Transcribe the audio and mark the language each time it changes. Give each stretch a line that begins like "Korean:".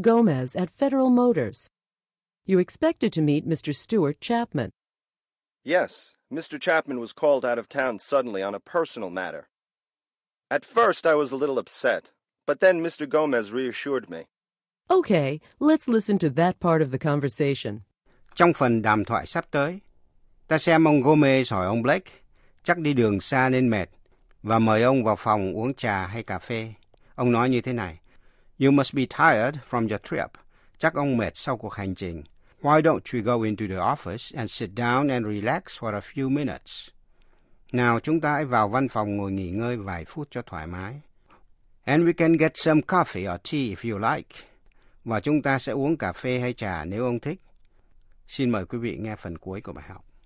English: Gomez at Federal Motors. You expected to meet Mr. Stuart Chapman. Yes, Mr. Chapman was called out of town suddenly on a personal matter. At first I was a little upset, but then Mr. Gomez reassured me. Okay, let's listen to that part of the conversation.
Vietnamese: Trong phần đàm thoại sắp tới, ta xem ông Gomez hỏi ông Blake, chắc đi đường xa nên mệt, và mời ông vào phòng uống trà hay cà phê. Ông nói như thế này,
English: You must be tired from your trip.
Vietnamese: Chắc ông mệt sau cuộc hành trình.
English: Why don't you go into the office and sit down and relax for a few minutes?
Vietnamese: Nào chúng ta hãy vào văn phòng ngồi nghỉ ngơi vài phút cho thoải mái.
English: And we can get some coffee or tea if you like.
Vietnamese: Và chúng ta sẽ uống cà phê hay trà nếu ông thích. Xin mời quý vị nghe phần cuối của bài học.